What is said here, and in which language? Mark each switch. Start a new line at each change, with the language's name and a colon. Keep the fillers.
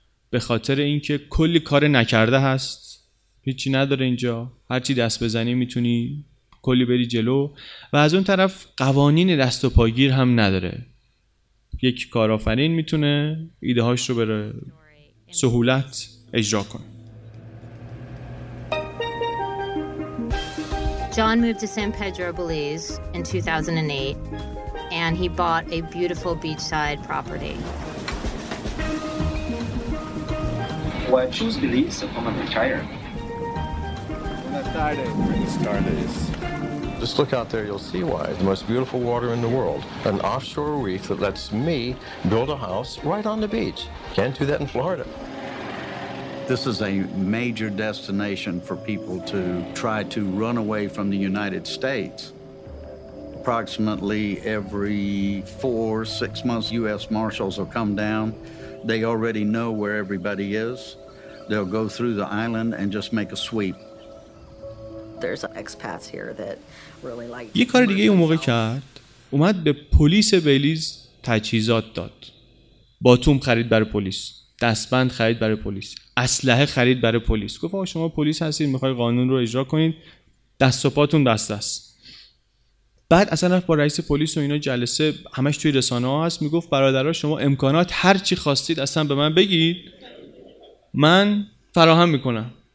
Persian: به خاطر اینکه کلی کار نکرده هست هیچی نداره اینجا هرچی دست بزنی میتونی کلی بری جلو و از اون طرف قوانین دست و پاگیر هم نداره یک کارآفرین میتونه ایده هاش رو بره سهولت اجرا کنه
English: John moved to San Pedro, Belize in 2008 and he bought a beautiful beachside property. Why choose Belize from retirement? Just look out there, you'll see why. The most beautiful water in the world. An offshore reef that lets me build a house right on the beach. Can't do that in Florida. This is a major destination for people to try to run away from the United States. Approximately every four, six months, U.S. Marshals will come down. They already know where everybody is. They'll go through the island and just make a sweep.
Persian: یه کار دیگه اون موقع کرد اومد به پلیس بلیز تجهیزات داد باتوم خرید برای پلیس دستبند خرید برای پلیس اسلحه خرید برای پلیس گفت شما پلیس هستید میخوای قانون رو اجرا کنید دست و پاتون دست است بعد اصلا رفت با رئیس پلیس و اینا جلسه همش توی رسانه ها هست میگفت برادرها شما امکانات هر چی خواستید اصلا به من بگید من فراهم میکنم